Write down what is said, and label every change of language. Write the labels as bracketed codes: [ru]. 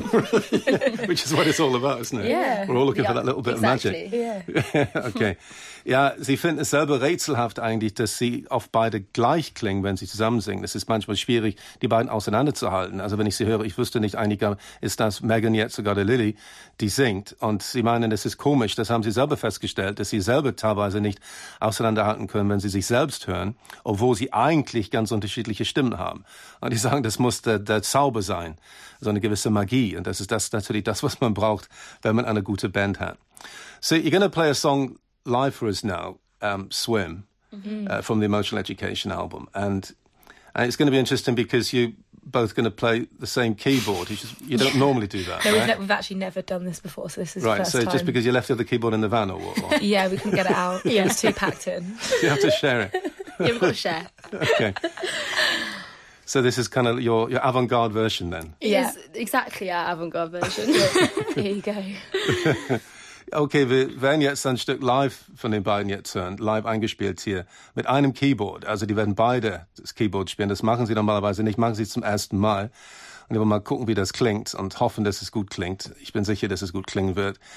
[en] Which is what it's all about, isn't it? Yeah. We're all looking for that little bit exactly. of magic. Yeah. Okay. [de] Ja, Sie finden es selber rätselhaft eigentlich, dass sie oft beide gleich klingen, wenn sie zusammen singen. Es ist manchmal schwierig, die beiden auseinanderzuhalten. Also wenn ich sie höre, ich wüsste nicht, einiger ist das Megan jetzt sogar der Lily, die singt. Und sie meinen, es ist komisch, das haben sie selber festgestellt, dass sie selber teilweise nicht auseinanderhalten können, wenn sie sich selbst hören, obwohl sie eigentlich ganz unterschiedliche Stimmen haben. Und die sagen, das muss der Zauber sein, so eine gewisse Magie. Und das ist das natürlich das, was man braucht, wenn man eine gute Band hat. [en] So you're gonna play a song live for us now, Swim, from the Emotional Education album. And it's going to be interesting because you're both going to play the same keyboard. You don't normally do that, No, right? we've actually never done this before, so this is right, the first time. Right, so just because you left the other keyboard in the van or what? Yeah, we couldn't get it out. Yeah. It's too packed in. You have to share it. Yeah, we've got to share. Okay. So this is kind of your avant-garde version then? Yes, exactly our avant-garde version. Here you go. [de] Okay, wir werden jetzt ein Stück live von den beiden jetzt hören, live eingespielt hier, mit einem Keyboard. Also die werden beide das Keyboard spielen. Das machen sie normalerweise nicht, machen sie zum ersten Mal. Und wir wollen mal gucken, wie das klingt und hoffen, dass es gut klingt. Ich bin sicher, dass es gut klingen wird.